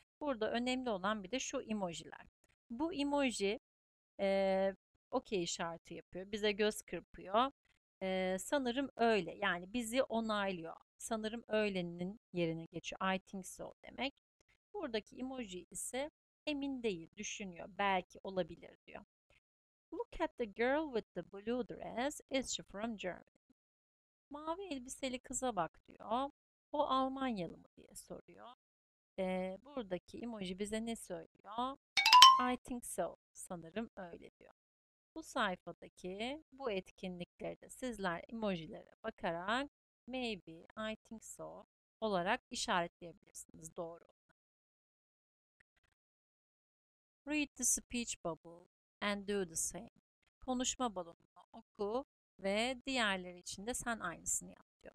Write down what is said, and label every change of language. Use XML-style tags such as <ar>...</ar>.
<tr>Burada önemli olan bir de şu emojiler. Bu emoji okey işareti yapıyor. Bize göz kırpıyor. Sanırım öyle. Yani bizi onaylıyor. Sanırım öyle'nin yerine geçiyor.</tr> <en>I think so</en> <tr>demek. Buradaki emoji ise emin değil. Düşünüyor. Belki olabilir diyor.</tr> <en>Look at the girl with the blue dress. Is she from Germany?</en> <tr>Mavi elbiseli kıza bak diyor. O Almanyalı mı diye soruyor. Buradaki emoji bize ne söylüyor?</tr> <en>I think so.</en> <tr>Sanırım öyle diyor. Bu sayfadaki bu etkinliklerde sizler emojilere bakarak</tr> <en>maybe, I think so</en> <tr>olarak işaretleyebilirsiniz. Doğru.</tr> <en>Read the speech bubble and do the same.</en> <tr>Konuşma balonunu oku. Ve diğerleri için de sen aynısını yap diyor.</tr>